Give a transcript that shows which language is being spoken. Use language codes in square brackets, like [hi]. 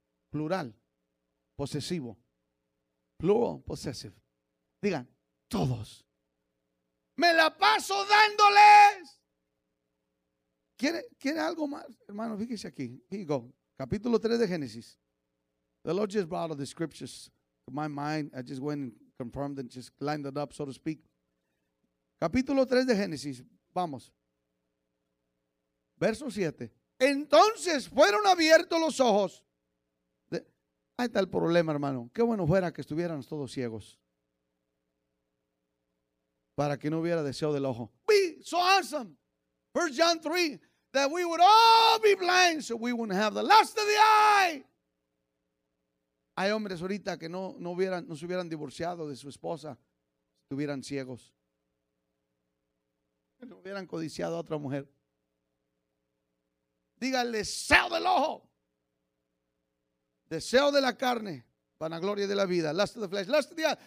[es] Plural, posesivo. [en] Plural, possessive. [es] Digan. Todos. Me la paso dándoles. ¿Quiere algo más? Hermano, fíjese aquí. Capítulo 3 de Génesis. [en] The Lord just brought the scriptures to my mind. I just went and confirmed and just lined it up, so to speak. [es] Capítulo 3 de Génesis. Vamos. Verso 7. Entonces fueron abiertos los ojos. Ahí está el problema, hermano. Qué bueno fuera que estuvieran todos ciegos. Para que no hubiera deseo del ojo. [en] Be so awesome. 1 John 3. That we would all be blind so we wouldn't have the lust of the eye. [es] Hay hombres ahorita que no se hubieran divorciado de su esposa si estuvieran ciegos. Que no hubieran codiciado a otra mujer. Díganle, deseo del ojo. Deseo de la carne, vanagloria de la vida, [en] lust of the flesh, lust of the eye,